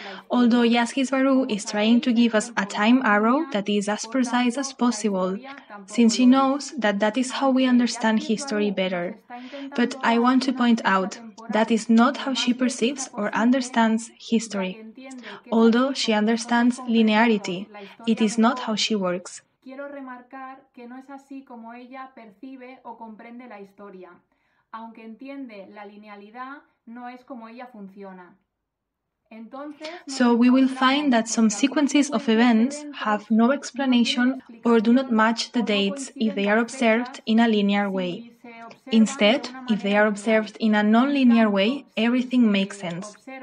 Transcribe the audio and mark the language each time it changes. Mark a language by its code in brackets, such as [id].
[en] Although Yaskis Baru is trying to give us a time arrow that is as precise as possible, since she knows that that is how we understand history better. But I want to point out, that is not how she perceives or understands history. Although she understands linearity, it is not how she works. [es] Quiero remarcar que no es así como ella percibe o comprende la historia. Aunque entiende la linealidad, no es como ella funciona. [en] So we will find that some sequences of events have no explanation or do not match the dates if they are observed in a linear way. Instead, if they are observed in a non-linear way, everything makes sense.